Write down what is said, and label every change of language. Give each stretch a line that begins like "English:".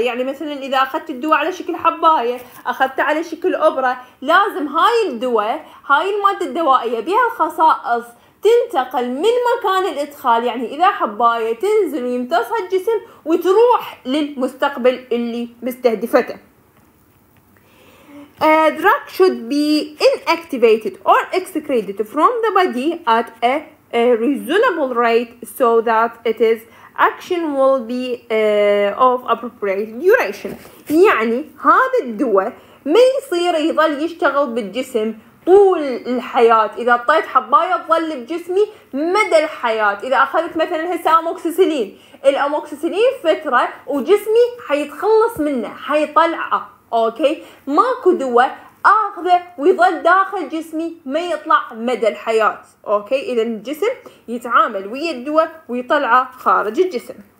Arabic: يعني مثلا إذا أخذت الدواء على شكل حباية، أخذته على شكل أبرة، لازم هاي الدواء، هاي المادة الدوائية بها الخصائص تنتقل من مكان الإدخال، يعني إذا حباية تنزل ويمتصها الجسم وتروح للمستقبل اللي مستهدفته.
English: A drug should be inactivated or excreted from the body at a reasonable rate so that its action will be of appropriate duration.
Arabic: يعني هذا الدواء ما يصير يظل يشتغل بالجسم طول الحياة، إذا اعطيت حباية تظل بجسمي مدى الحياة. إذا أخذت مثلاً هسه أموكسيسيلين، الأموكسيسيلين فترة وجسمي حيتخلص منه، حيطلعه، أوكي؟ ماكو دواء أخذه ويظل داخل جسمي ما يطلع مدى الحياة، أوكي؟ إذا الجسم يتعامل ويا الدواء ويطلعه خارج الجسم.